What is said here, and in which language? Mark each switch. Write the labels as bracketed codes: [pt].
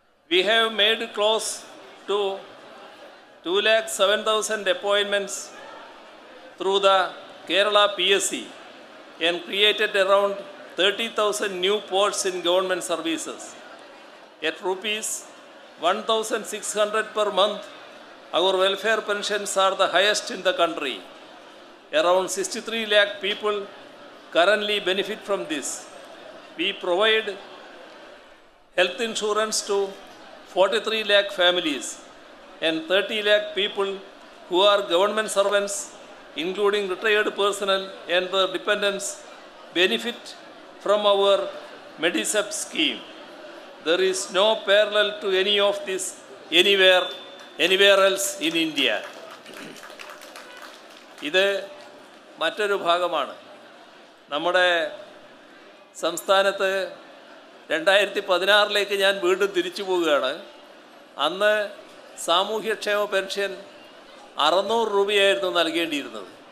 [en] We have made close to 2,07,000 appointments through the Kerala PSC and created around 30,000 new posts in government services at ₹1,600 per month. Our welfare pensions are the highest in the country. Around 63 lakh people currently benefit from this. We provide health insurance to 43 lakh families and 30 lakh people who are government servants, including retired personnel and their dependents, benefit from our Medisep scheme. There is no parallel to any of this anywhere else in India. [ml] ഇത് മറ്റൊരു ഭാഗമാണ്. നമ്മുടെ സംസ്ഥാനത്ത് 2016 ഞാൻ വീണ്ടും തിരിച്ചു പോവുകയാണ്. അന്ന് സാമൂഹ്യക്ഷേമ പെൻഷൻ 600 രൂപയായിരുന്നു നൽകേണ്ടിയിരുന്നത്.